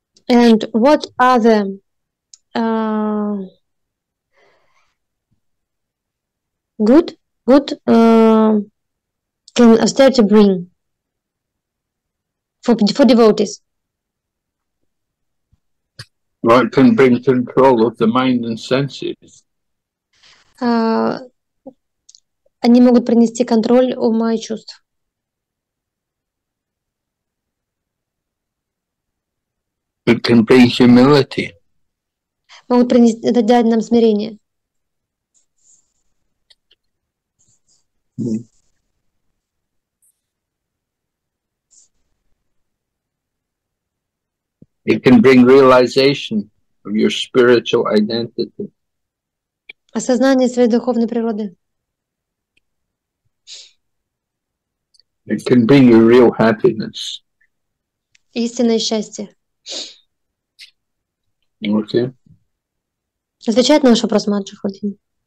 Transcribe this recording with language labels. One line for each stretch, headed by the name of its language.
English: And what are the good can austerity bring? for devotees. Well, it can bring control of the mind and senses.
Russian: Они могут принести контроль ума и чувств.
English: It can bring humility.
Russian: Могут принести, это дать нам смирение.
English: It can bring realization of your spiritual identity.
Russian: Осознание своей духовной природы.
English: It can bring you real happiness.
Russian: Истинное счастье.
English: Okay.
Russian: Отвечает на ваш вопрос, Маджи Худин.